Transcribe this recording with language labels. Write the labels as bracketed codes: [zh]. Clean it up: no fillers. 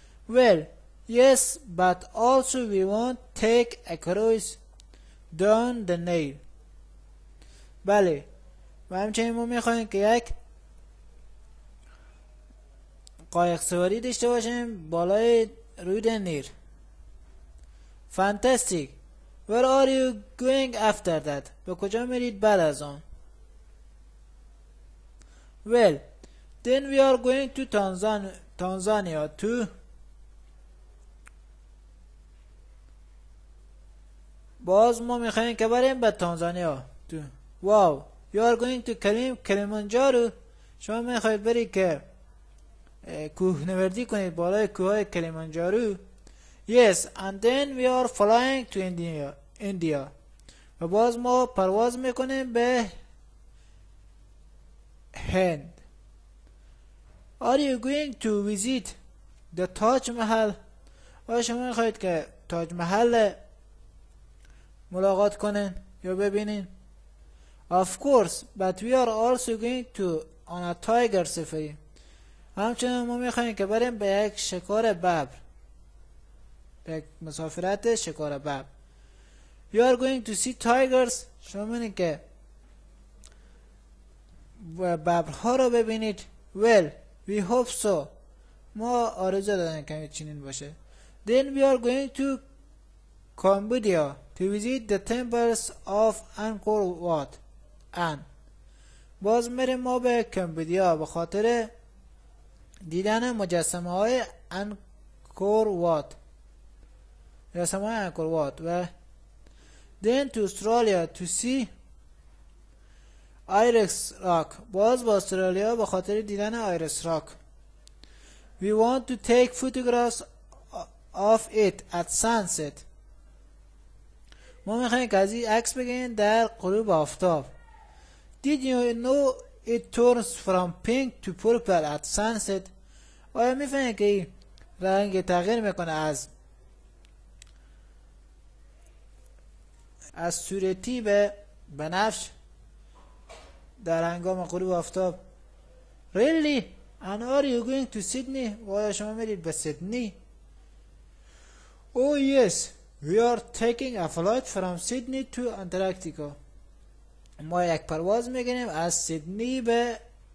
[en] Well, yes, but also we won't take a cruise down the Nile. [fa] بله. و همچنین ما میخواییم که یک قایق سواری داشته باشیم بالای رود نیل. [en] Fantastic. Where are you going after that? [fa] به کجا میرید بعد از آن؟ [en] Well, then we are going to Tanzania to [fa] باز ما میخواییم که بریم به تانزانیا. [en] Wow, you are going to climb Kilimanjaro. [fa] شما میخواید برید که کوه نوردی کنید بالای کوههای کلیمانجارو. [en] Yes, and then we are flying to India. [fa] و باز ما پرواز میکنیم به هند. [en] Are you going to visit the Taj Mahal? [fa] آیا شما میخواهید که تاج محل ملاقات کنین یا ببینین؟ [en] Of course, but we are also going to on a tiger safari. [fa] همچنین ما میخواهیم که بریم به یک شکار ببر. به یک مسافرت شکار ببر. [en] You are going to see tigers. [fa] شما میخواهید که ببرها رو ببینید. [en] Well, we hope so. [fa] ما آرزو داریم که چنین باشه. [en] Then we are going to Cambodia to visit the temples of Angkor Wat. [fa] And باز میریم ما به کمبودیا به خاطر دیدن مجسمه های Angkor Wat. مجسمه های Angkor Wat. [en] و then to Australia to see Iris Rock. [fa] باز با استرالیا به خاطر دیدن Iris Rock. [en] We want to take photographs of it at sunset. [fa] ما میخواییم که از این عکس بگیریم در غروب آفتاب. [en] Did you know it turns from pink to purple at sunset? [fa] آیا میفهمید که این رنگ تغییر میکنه از صورتی به بنفش در هنگام غروب آفتاب؟ [en] Really? And are you going to Sydney? [fa] آیا شما میرید به سیدنی؟ [en] Oh yes, we are taking a flight from Sydney to Antarctica. [fa] ما یک پرواز میگیریم از سیدنی به